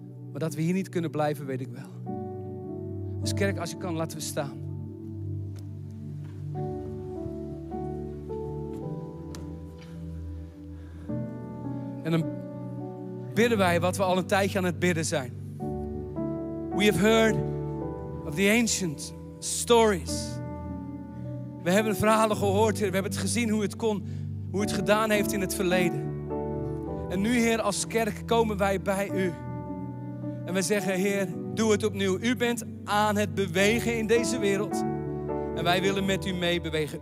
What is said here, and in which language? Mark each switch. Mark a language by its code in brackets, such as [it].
[nl] Maar dat we hier niet kunnen blijven, weet ik wel. Dus kerk, als je kan, laten we staan. En dan bidden wij wat we al een tijdje aan het bidden zijn. [en] We have heard of the ancient stories. [nl] We hebben verhalen gehoord, Heer. We hebben het gezien hoe het kon, hoe het gedaan heeft in het verleden. En nu, Heer, als kerk komen wij bij u. En we zeggen, Heer, doe het opnieuw. U bent aan het bewegen in deze wereld. En wij willen met u meebewegen.